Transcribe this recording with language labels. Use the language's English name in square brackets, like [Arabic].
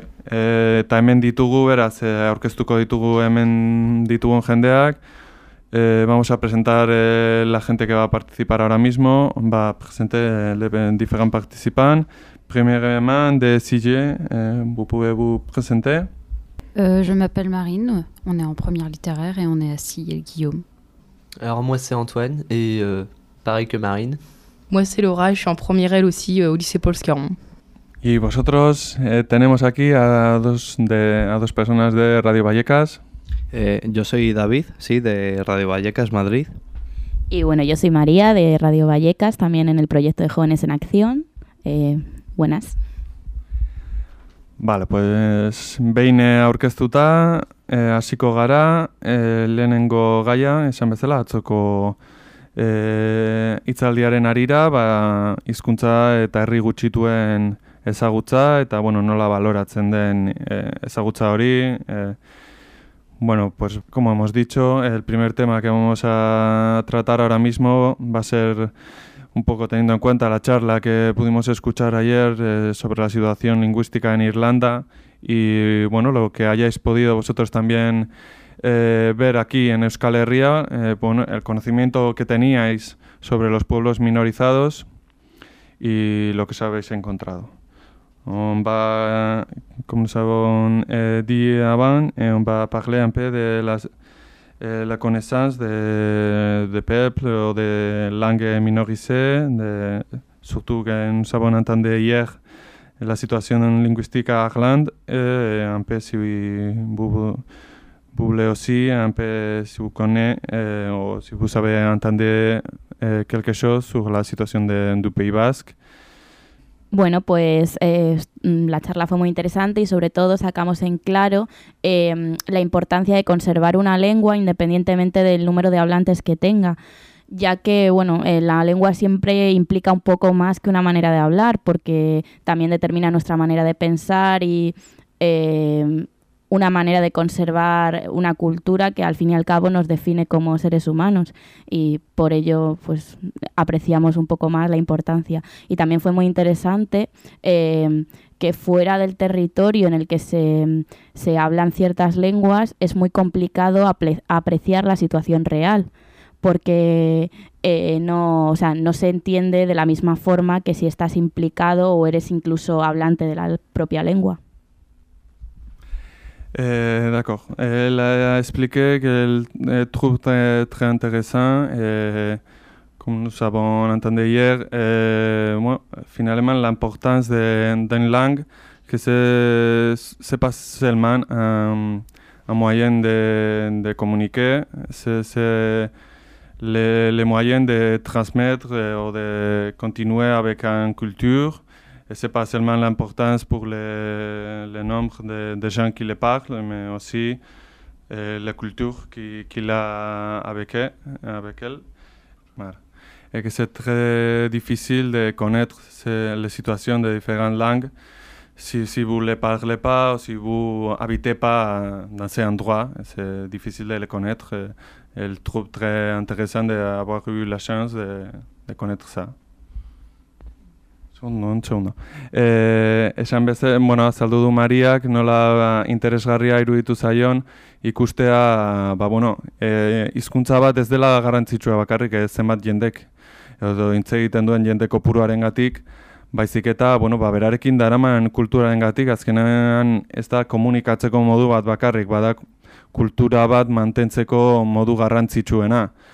[Basque] Eta hemen ditugu, beraz, aurkeztuko ditugu hemen ditugun jendeak. [Spanish] Vamos a presentar la gente que va a participar ahora mismo. Va a presentar diferent participant. [French] Premièrement, de Sige, vous pouvez vous présenter. Je m'appelle Marine, on est en première littéraire et on est à Sige et Guillaume. Alors moi c'est Antoine et pareil que Marine. Moi c'est Laura et je suis en première L aussi au lycée Paul Scarron. [Spanish] Y vosotros tenemos aquí a dos personas de Radio Vallecas. Yo soy David, sí, de Radio Vallecas, Madrid. Y bueno, yo soy María, de Radio Vallecas, también en el proyecto de Jóvenes en Acción. Buenas. [Basque] Vale, pues behin aurkeztuta, hasiko gara, lehenengo gaia, esan bezala, atzoko hitzaldiaren harira, ba, hizkuntza eta herri gutxituen ezagutza eta bueno, nola baloratzen den ezagutza hori. [Spanish] Bueno, pues como hemos dicho, el primer tema que vamos a tratar ahora mismo va a ser un poco teniendo en cuenta la charla que pudimos escuchar ayer sobre la situación lingüística en Irlanda y bueno, lo que hayáis podido vosotros también ver aquí en Euskal Herria, bueno, el conocimiento que teníais sobre los pueblos minorizados y lo que os habéis encontrado. [French] On va, comme nous avons dit avant, et on va parler un peu de la connaissance de peuples ou de langues minorisées, surtout que nous avons entendu hier la situation linguistique à Irlande, un peu si vous voulez aussi, un peu si vous connaissez ou si vous avez entendu quelque chose sur la situation du Pays Basque. [Spanish] Bueno, pues la charla fue muy interesante y sobre todo sacamos en claro la importancia de conservar una lengua independientemente del número de hablantes que tenga, ya que bueno, la lengua siempre implica un poco más que una manera de hablar, porque también determina nuestra manera de pensar y una manera de conservar una cultura que al fin y al cabo nos define como seres humanos y por ello pues apreciamos un poco más la importancia. Y también fue muy interesante que fuera del territorio en el que se hablan ciertas lenguas es muy complicado apreciar la situación real, porque no se entiende de la misma forma que si estás implicado o eres incluso hablante de la propia lengua. [French] D'accord. Elle a expliqué qu'elle trouve très intéressant, comme nous avons entendu hier, finalement l'importance d'une langue, que ce n'est pas seulement un moyen de communiquer, c'est le moyen de transmettre ou de continuer avec une culture, Et ce n'est pas seulement l'importance pour le nombre de gens qui le parlent, mais aussi la culture qu'il a avec elle. Voilà. Et que c'est très difficile de connaître les situations des différentes langues si vous ne les parlez pas ou si vous n'habitez pas dans ces endroits. C'est difficile de les connaître. Elle trouve très intéressant d'avoir eu la chance de connaître ça. [Basque] Esan beste, bueno, azaldu du Mariak, nola interesgarria iruditu zaion, ikustea, ba, bueno, hizkuntza bat ez dela garrantzitsua bakarrik, zenbat jendek, edo hitz egiten duen jende kopuruaren gatik, baizik eta, bueno, ba, berarekin daraman kulturaren gatik, azkenean ez da komunikatzeko modu bat bakarrik, bada kultura bat mantentzeko modu garrantzitsuena.